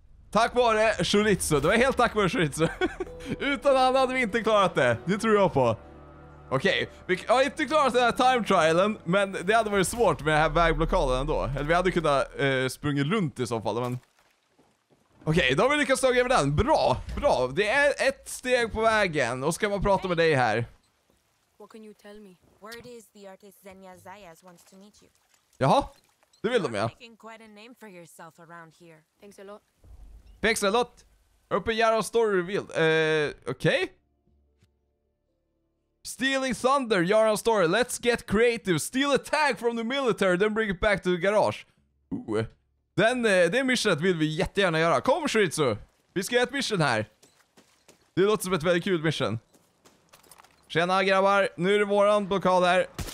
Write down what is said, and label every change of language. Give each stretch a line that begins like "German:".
Swedish: Tack vare Chorizo. Det var helt tack vare Chorizo. Utan han hade vi inte klarat det. Det tror jag på. Okej. Vi har inte klarat den här time trialen. Men det hade varit svårt med den här vägblockaden ändå. Eller vi hade kunnat springa runt i så fall. Men... Okej, då har vi lyckats ta över den. Bra, bra. Det är ett steg på vägen. Och ska man prata med dig här.
English: What can you tell me? Word is the artist Zenya Zayas wants to meet you.
Swedish: Jaha, det vill de ja.
English: Quite a name for yourself around here. Thanks a lot. Thanks a lot. Open Yara story revealed. Okej. Stealing thunder, Yara story. Let's get creative. Steal a tag from the military, then bring it back to the garage. Ooh.
Swedish: Den, det missionet vill vi jättegärna göra. Kom Shiritsu, vi ska göra ett mission här. Det låter som ett väldigt kul mission. Tjena grabbar, nu är det våran blockad här.